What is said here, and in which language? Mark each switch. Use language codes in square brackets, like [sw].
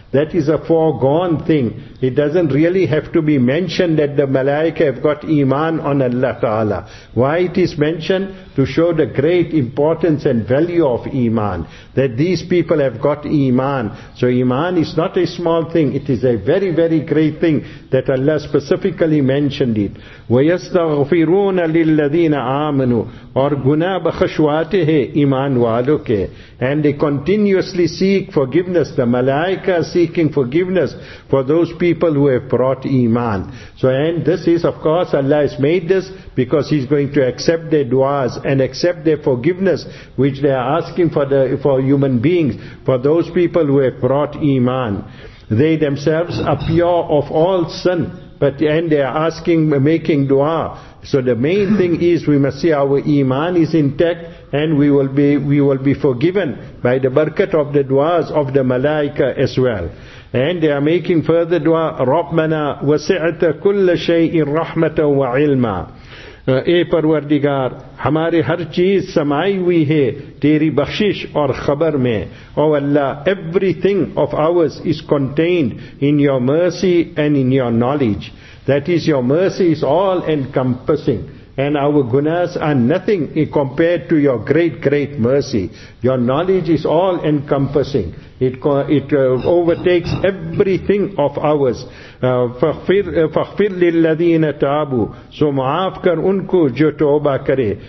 [en] That is a foregone thing. It doesn't really have to be mentioned that the malaika have got iman on Allah Ta'ala. Why it is mentioned? To show the great importance and value of iman. That these people have got iman. So iman is not a small thing. It is a very, very great thing that Allah specifically mentioned it. [ar] وَيَسْتَغْفِرُونَ لِلَّذِينَ آمَنُوا [ur] اور گناہ بخشواتے ہیں ایمان والوں کے [en] and they continuously seek forgiveness. The malaika seeking forgiveness for those people who have brought iman. So and this is of course Allah has made this because He's going to accept their duas and accept their forgiveness which they are asking for human beings, for those people who have brought iman. They themselves are pure of all sin, but and they are asking, making dua. So the main thing is we must see our iman is intact and we will be forgiven by the barakat of the du'as of the malaika as well. [ur] And they are making further du'a, [ar] رَبَّنَا وَسِعْتَ كُلَّ شَيْءٍ رَحْمَةً وَعِلْمًا [ur] اے پروردگار ہمارے ہر چیز سمائی ہوئی ہے تیری بخشش اور خبر میں او اللہ [en] everything of ours is contained in your mercy and in your knowledge. That is, your mercy is all encompassing. And our gunas are nothing compared to your great, great mercy. Your knowledge is all encompassing. It overtakes everything of ours. [ar] فَخْفِرْ لِلَّذِينَ تَعَبُوا [ur] So معاف کر ان کو جو توبہ کرے.